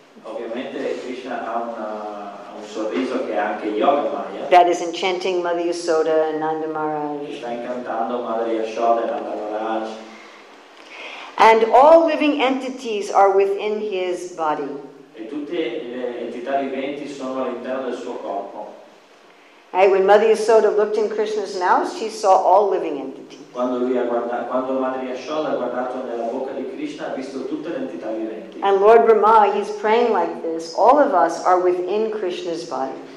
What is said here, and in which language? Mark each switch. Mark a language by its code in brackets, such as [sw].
[it] Ovviamente Krishna ha un sorriso che è anche Yoga Maya. [en] That is enchanting Mother Yasoda and Nanda Maharaj. [it] Sta incantando Madre Yashoda e Nanda Maharaj. [en] And all living entities are within his body. [it] E tutte le entità viventi sono all'interno del suo corpo. [en] Right, when Mother Yasoda looked in Krishna's mouth, she saw all living entities. [it] Quando Madre Yashoda ha guardato nella bocca di Krishna, ha visto tutte le entità viventi. [en] And Lord Brahma, he's praying like this. All of us are within Krishna's body.